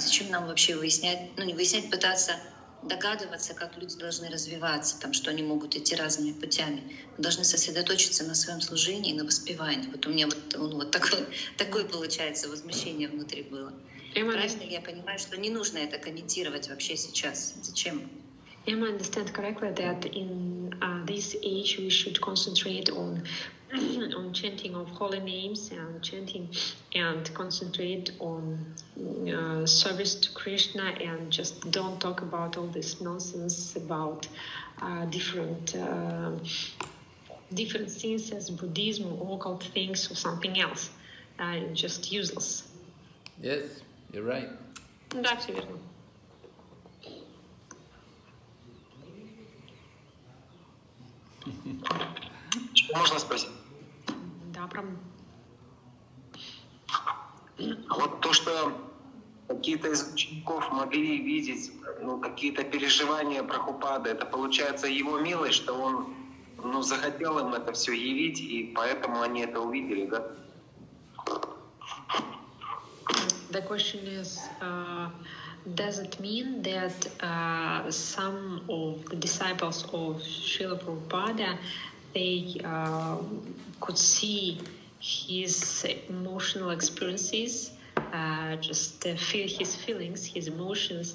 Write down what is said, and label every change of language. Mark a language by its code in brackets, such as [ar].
[ru] Зачем нам вообще выяснять, пытаться догадываться, как люди должны развиваться, там, что они могут идти разными путями. Мы должны сосредоточиться на своем служении и на воспевании. Вот у меня такое получается возмущение внутри было. Правильно ли я понимаю, что не нужно это комментировать вообще сейчас? Зачем? [en] Am I understand correctly that in this age we should concentrate on on chanting of holy names and chanting and concentrate on service to Krishna and just don't talk about all this nonsense about different things as Buddhism or occult things or something else, just useless. Yes, you're right. That's it. [ru] Можно спросить? Да, прям. А вот то, что какие-то из учеников могли видеть какие-то переживания Прабхупады, это получается его милость, что он захотел им это все явить, и поэтому они это увидели, да? [en] the question is, does it mean that some of the disciples of Srila Prabhupada, they could see his emotional experiences, just feel his feelings, his emotions?